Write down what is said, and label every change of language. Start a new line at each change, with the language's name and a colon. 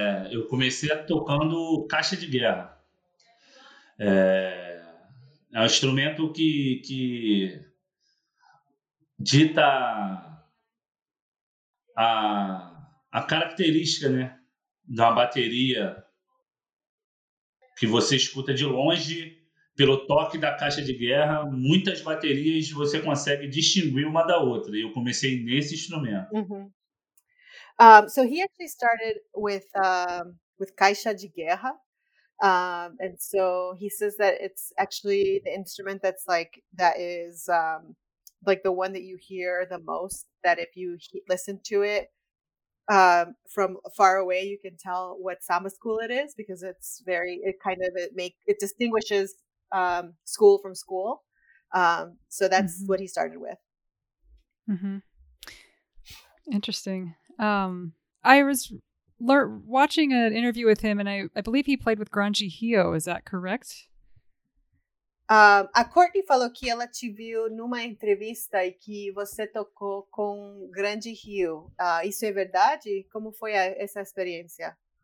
Portuguese: Eu comecei tocando caixa de guerra. É um instrumento que dita a característica, né, da bateria, que você escuta de longe pelo toque da caixa de guerra. Muitas baterias você consegue distinguir uma da outra. E eu comecei nesse instrumento. Uhum.
English: So he actually started with caixa de guerra, and so he says that it's actually the instrument that's like that is like the one that you hear the most. That if you listen to it from far away, you can tell what samba school it is because it distinguishes school from school. So that's mm-hmm. what he started with. Mm-hmm. Interesting. I was watching an interview with him, and I believe he played with Grande Rio. Is that correct?
Portuguese: A Courtney falou que ela te viu numa entrevista e que você tocou com Grande Rio. Isso é verdade? Como foi essa experiência?